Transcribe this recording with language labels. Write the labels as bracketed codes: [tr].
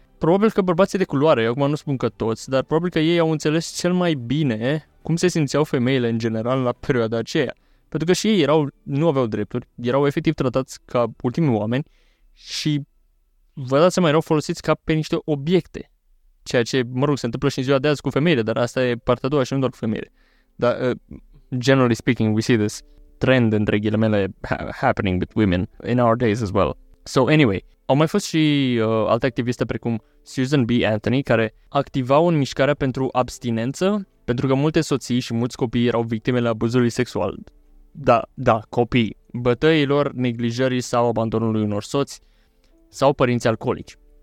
[ro] Probabil că bărbații de culoare, acum nu spun că toți, dar probabil că ei au înțeles cel mai bine cum se simțeau femeile în general la perioada aceea. Pentru că și ei erau, nu aveau drepturi, erau efectiv tratați ca ultimii oameni și vă dați seama, erau folosiți ca pe niște obiecte. Ceea ce, mă rog, se întâmplă și în ziua de azi cu femeile, dar asta e partea a doua și nu doar cu femeile. [en] Dar, generally speaking, we see this trend, [ro] între ghilimele, [en] happening with women in our days as well. So, anyway, [ro] au mai fost și alte activiste precum Susan B. Anthony, care activau în mișcarea pentru abstinență, pentru că multe soții și mulți copii erau victimele abuzului sexual. Da, da, copii. Bătăilor, neglijării sau abandonului unor soți sau părinți alcoolici.